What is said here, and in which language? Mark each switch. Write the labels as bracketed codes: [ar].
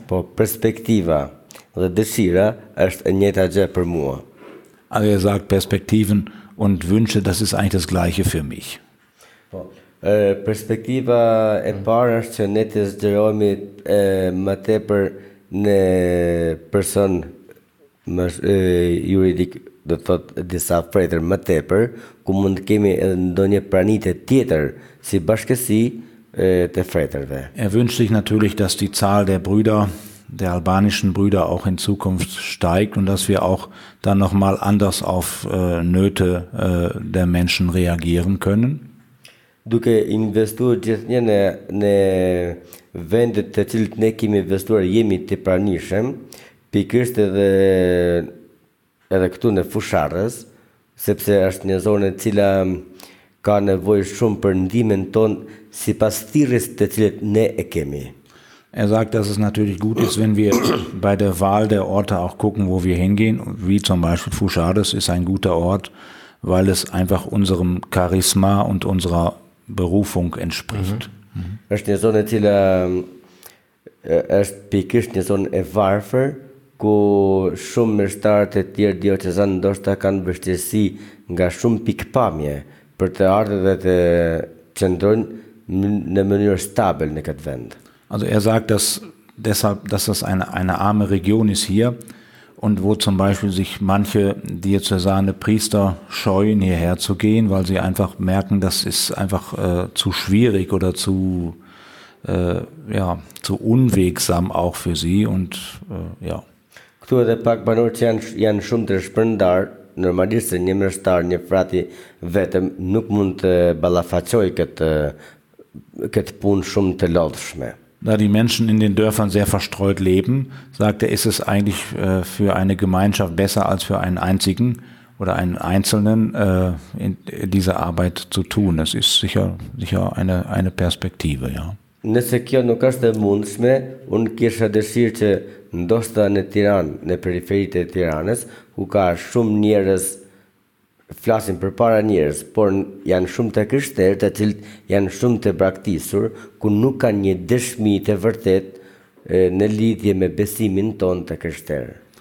[sq] Po, perspektiva dhe dëshira është njëta gjë për mua. [de] Also er sagt Perspektiven und Wünsche, das ist eigentlich das gleiche für mich. [sq] Po, perspektiva e parë është që ne të zgjerohemi më tepër në person më juridik, do të thotë disa fretër më tepër, ku mund kemi edhe ndonjë pranitë tjetër si bashkësi. [de] Er wünscht sich natürlich, dass die Zahl der Brüder, der albanischen Brüder auch in Zukunft steigt und dass wir auch dann nochmal anders auf Nöte der Menschen reagieren können. [sq] Duke investuar gjithnjë në vendet të cilët ne kemi investuar, jemi të pranishëm, pikërisht edhe këtu në Fusharrës, sepse është një zonë e cila ka nevojë shumë për ndihmën tonë sipas thirrjes të cilat ne e kemi. [de] Er sagt, dass es natürlich gut ist, wenn wir bei der Wahl der Orte auch gucken, wo wir hingehen. Wie zum Beispiel Fusharrës ist ein guter Ort, weil es einfach unserem Charisma und unserer Berufung entspricht. [sq] Është një zonë e cila është pikërisht një zonë e varfër, ko shumë me shtarët e tjerë diocesanë, ndoshta kanë vështirësi nga shumë pikpamje për të ardhur dhe të qëndrojnë në mënyrë stabil në këtë vend. [de] Also sagt, dass deshalb, dass das eine arme Region ist hier und wo zum Beispiel sich manche diözesane Priester scheuen, hierher zu gehen, weil sie einfach merken, das ist einfach zu schwierig oder zu, ja, zu unwegsam auch für sie. Und ja. [sq] Këtu edhe pak banorët janë shumë të shpërndarë, normalisht se një mështarë, një frati vetëm, nuk mund të balafaqoj këtë punë shumë të lodhshme. [de] Da die Menschen in den Dörfern sehr verstreut leben, sagt er, ist es eigentlich für eine Gemeinschaft besser als für einen einzigen oder einen Einzelnen in diese Arbeit zu tun. Das ist sicher eine Perspektive, ja. [sq] Nëse kjo nuk është e mundshme, unë kisha dëshirë që ndoshta në Tiranë, në periferitë e Tiranës, ku ka shumë njerëz, flasin për para njerëz, por janë shumë të krishterë, të cilët janë shumë të braktisur, ku nuk kanë një dëshmi të vërtet në lidhje me besimin tonë të krishterë.